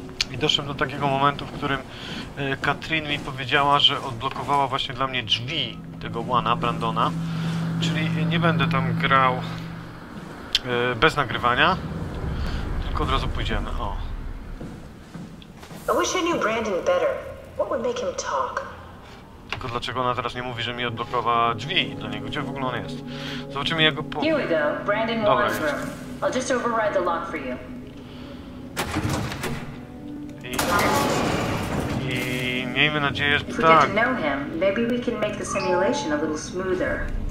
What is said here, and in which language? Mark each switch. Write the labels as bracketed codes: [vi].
[pl] I doszłem do takiego momentu, w którym Katrin mi powiedziała, że odblokowała właśnie dla mnie drzwi tego Wana, Brandona. Czyli nie będę tam grał bez nagrywania, tylko od razu pójdziemy, o. [en] I wish I knew Brandon better. What would make him talk? [pl] Tylko dlaczego ona teraz nie mówi, że mi odblokowała drzwi do niego? Gdzie w ogóle on jest? Zobaczymy jego po... [en] Here we go, Brandon Wan's room. I'll just override the lock for you. [pl] I miejmy nadzieję, że tak. [en] If we get to know him, maybe we can make the simulation a little smoother.